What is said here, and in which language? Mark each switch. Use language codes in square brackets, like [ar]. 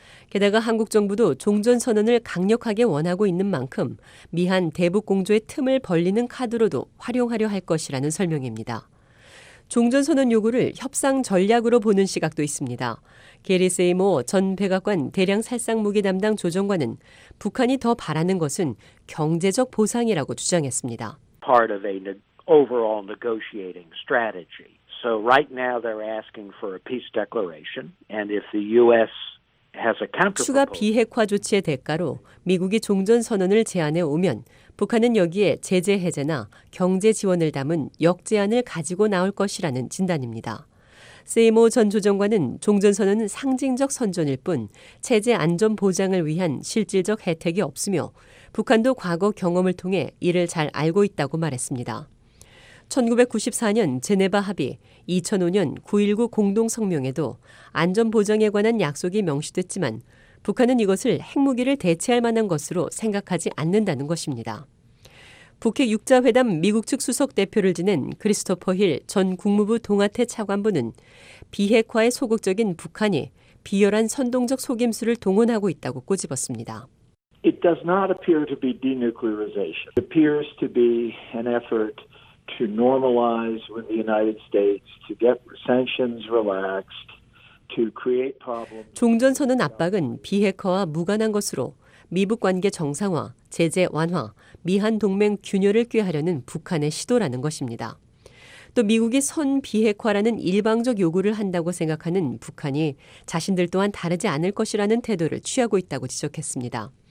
[ko] 게다가 한국 정부도 종전선언을 강력하게 원하고 있는 만큼 미한 대북 공조의 틈을 벌리는 카드로도 활용하려 할 것이라는 설명입니다. 종전선언 요구를 협상 전략으로 보는 시각도 있습니다. 게리 세이모 전 백악관 대량 살상무기 담당 조정관은 북한이 더 바라는 것은 경제적 보상이라고 주장했습니다. [en] Part of a overall negotiating strategy. So right now they're asking for a peace declaration, and if the U.S. [ko] 추가 비핵화 조치의 대가로 미국이 종전선언을 제안해 오면 북한은 여기에 제재 해제나 경제 지원을 담은 역제안을 가지고 나올 것이라는 진단입니다. 세이모 전 조정관은 종전선언은 상징적 선전일 뿐 체제 안전 보장을 위한 실질적 혜택이 없으며 북한도 과거 경험을 통해 이를 잘 알고 있다고 말했습니다. 1994년 제네바 합의, 2005년 9.19 공동성명에도 안전보장에 관한 약속이 명시됐지만 북한은 이것을 핵무기를 대체할 만한 것으로 생각하지 않는다는 것입니다. 북핵 6자회담 미국 측 수석대표를 지낸 크리스토퍼 힐 전 국무부 동아태 차관보는 비핵화에 소극적인 북한이 비열한 선동적 속임수를 동원하고 있다고 꼬집었습니다. [en] It does not appear to be denuclearization. It appears to be an effort to normalize with the United States to get sanctions relaxed to create problems. [ko] 종전선언 압박은 비핵화와 무관한 것으로 미북 관계 정상화, 제재 완화, 미한 동맹 균열을 꾀하려는 북한의 시도라는 것입니다. 또 미국이 선 비핵화라는 일방적 요구를 한다고 생각하는 북한이 자신들 또한 다르지 않을 것이라는 태도를 취하고 있다고 지적했습니다.